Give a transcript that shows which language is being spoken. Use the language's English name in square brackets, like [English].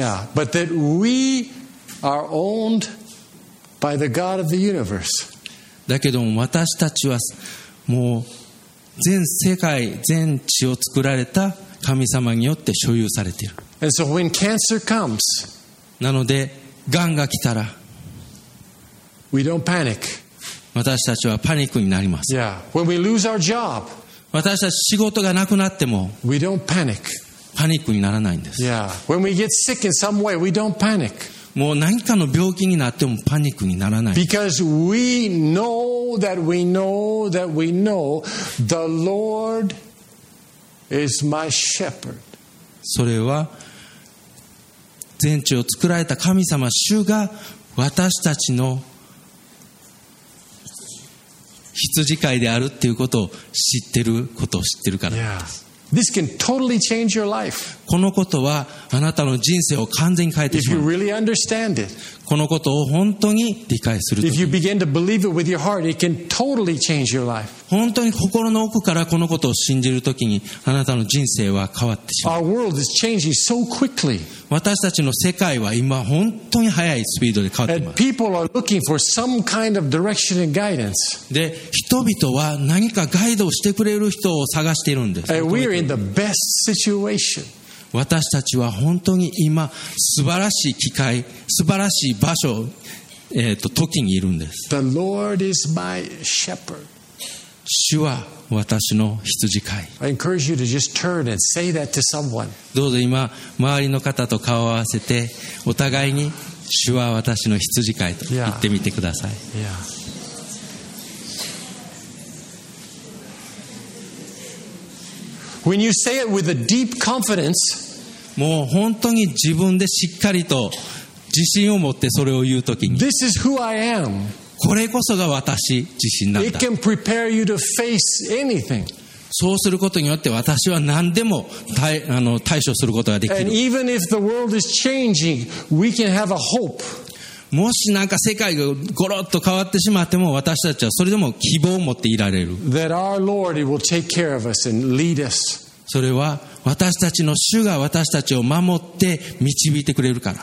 [English] Yeah, but that we are owned by the God of the universe. [Japanese] だけども私たちはもう全世界全地を作られた神様によって所有されている。 [English] And so when cancer comes, [Japanese] なのでがんが来たら、 [English] we don't panic. [Japanese] 私たちはパニックになります。 [English] Yeah, when we lose our job. [Japanese] 私たち仕事がなくなっても、 [English] we don't panic. [Japanese] パニックにならないんです。 [English] Yeah. When we get sick in some way, we don't panic. [Japanese] もう何かの病気になってもパニックにならない。 [English] Because we know that we know that we know the Lord is my shepherd. [Japanese] それは全地を作られた神様主が私たちの羊飼いであるっていうことを知ってることを知ってるからです。 [English] Yeah. This can totally change your life. [Japanese] このことはあなたの人生を完全に変えてしまう。 [English] If you really understand it. [Japanese] このことを本当に理解する。 [English] If you begin to believe it with your heart, it can totally change your life. [Japanese] 本当に心の奥からこのことを信じるときにあなたの人生は変わってしまう。 [English] Our world is changing so quickly. [Japanese] 私たちの世界は今本当に速いスピードで変わっています。 [English] And people are looking for some kind of direction and guidance. [Japanese] で、人々は何かガイドをしてくれる人を探しているんです。 [English] And we are in the best situation. [Japanese] 私たちは本当に今素晴らしい機会、素晴らしい場所、時にいるんです。 [English] The Lord is my shepherd. [Japanese] 主は私の羊飼い。 [English] I encourage you to just turn and say that to someone. [Japanese] どうぞ今周りの方と顔を合わせてお互いに主は私の羊飼いと言ってみてください。 [English] Yeah. Yeah. When you say it with a deep confidence, [Japanese] もう本当に自分でしっかりと自信を持ってそれを言うときに、 [English] This is who I am. [Japanese] これこそが私自身なんだ。 [English] It can prepare you to face anything. [Japanese] そうすることによって私は何でも対処することができる。 [English] And even if the world is changing, we can have a hope. [Japanese] もしなんか世界がゴロッと変わってしまっても私たちはそれでも希望を持っていられる。 [English] That our Lord will take care of us and lead us. [Japanese] それは私たちの主が私たちを守って導いてくれるから。